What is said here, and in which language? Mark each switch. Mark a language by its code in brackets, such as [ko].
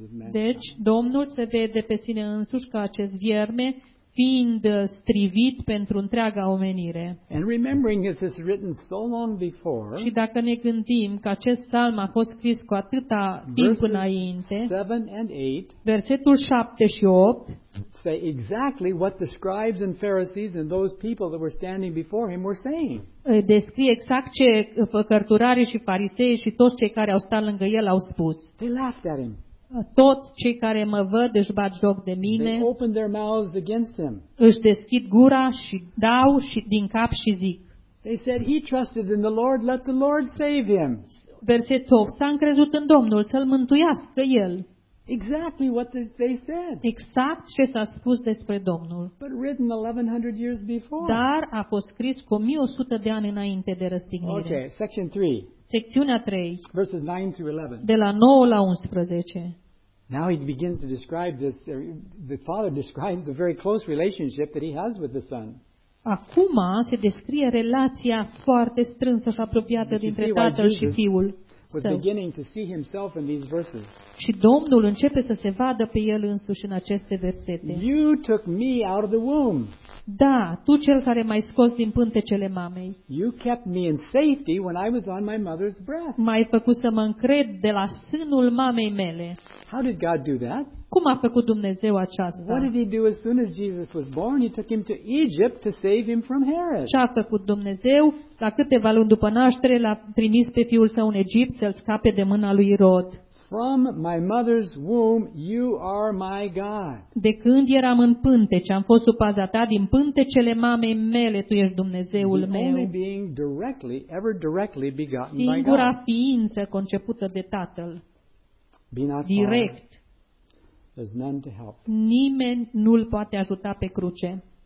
[ro] Deci, Domnul se vede pe sine însuși ca acest vierme fiind strivit pentru întreaga omenire. [en] And remembering this is written so long before. [ro] Și dacă ne gândim că acest psalm a fost scris cu atâta timp înainte. Versetul 7 și 8 [en] say exactly what the scribes and Pharisees and those people that were standing before him were saying. [ro] Descrie exact ce cărturarii și farisei și toți cei care au stat lângă el au spus. [en] They laughed at him. [ro] Toți cei care mă văd își bat joc de mine. [en] They open their mouths against him. [ro] Își deschid gura și dau și din cap și zic. [en] They said he trusted in the Lord, let the Lord save him. [ro] Versetul 8, s-a încrezut în Domnul să-l mântuiască el. [en] Exactly what they said. [ro] Exact ce s-a spus despre Domnul. [en] But written 1100 years before. [ro] Dar a fost scris cu 1100 de ani înainte de răstignire. [en] Okay, section 3. [ro] Secțiunea 3. [en] Verses 9 through 11. [ro] De la 9 la 11. [en] Now he begins to describe this. The father describes the very close relationship that he has with the son. [ro] Acum se descrie relația foarte strânsă și apropiată dintre tatăl și fiul. [en] Was beginning to see himself in these verses. [ro] Și Domnul începe să se vadă pe el însuși în aceste versete. [en] You took me out of the womb. [ro] Da, tu cel care m-ai scos din pântecele mamei. [en] You kept me in safety when I was on my mother's breast. [ro] M-ai făcut să mă încred de la sânul mamei mele. [en] How did God do that? [ro] Cum a făcut Dumnezeu aceasta? [en] What did he do as soon as Jesus was born? He took him to Egypt to save him from Herod. [ro] Ce a făcut Dumnezeu? La câteva luni după naștere l-a trimis pe fiul său în Egipt să-l scape de mâna lui Irod. [en] From my mother's womb you are my God. [ro] De când eram în pântece, am fost sub paza ta, din pântecele mamei mele tu ești Dumnezeul meu. [en] The only being directly, ever directly begotten by God. [ro] Singura ființă concepută de Tatăl. Direct. [en] There's none to help. [ro] Nimeni nu-l poate ajuta pe cruce.